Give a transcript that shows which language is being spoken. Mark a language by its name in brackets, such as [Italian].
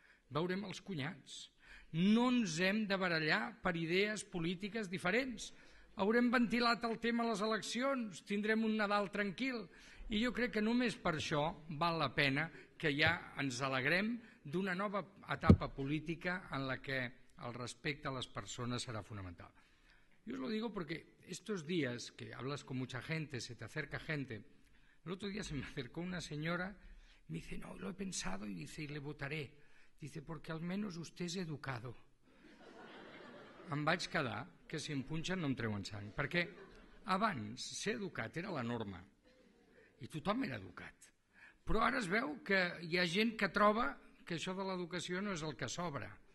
[Catalan] Veurem els cunyats. No ens hem de barallar per idees polítiques diferents. Haurem ventilat el tema a les eleccions, tindrem un Nadal tranquil. I jo crec que només per això val la pena que ja ens alegrem d'una nova etapa política en la que el respecte a les persones serà fonamental. [Spanish] Yo os lo digo porque estos días que hablas con mucha gente, se te acerca gente, el otro día se me acercó una señora, me dice, no, lo he pensado, y dice, y le votaré. Dice, porque al menos usted es educado. [Catalan] em vaig quedar que si em punxen no em treuen sang, perquè abans ser educat era la norma i tothom era educat, però ara es veu que hi ha gent que troba que això de l'educació no és el que s'obre.